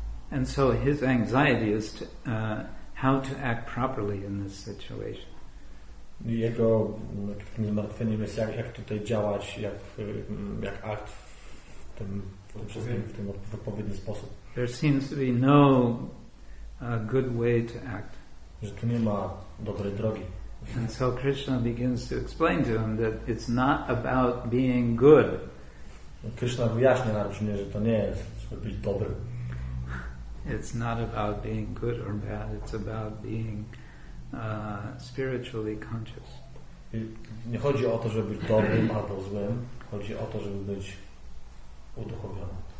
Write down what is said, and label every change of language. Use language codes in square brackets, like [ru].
[en] And so his anxiety is to, how to act properly in this situation. [pl] Jego zmartwienie jest jak tutaj działać, jak act w tym. W odpowiedni sposób. [en] There seems to be no good way to act. [pl] Że tu nie ma dobrej drogi. [en] And so Krishna begins to explain to him that it's not about being good. [pl] Krishna wyjaśnia na brzmie, że to nie jest, żeby być dobrym. [en] It's not about being good or bad. It's about being spiritually conscious. [pl] I nie chodzi o to, żeby być dobrym albo złym. Chodzi o to, żeby być uduchowiony.